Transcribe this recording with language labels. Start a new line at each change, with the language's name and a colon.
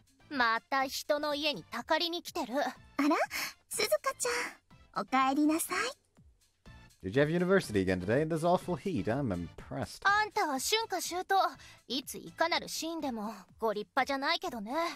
Japanese: また人の家にたかりに来てる。あら、スズカちゃん、おかえりなさい。
English: Did you have university again today in this awful heat? I'm impressed.
Japanese: あんたは春夏秋冬、いついかなるシーンでもご立派じゃないけどね。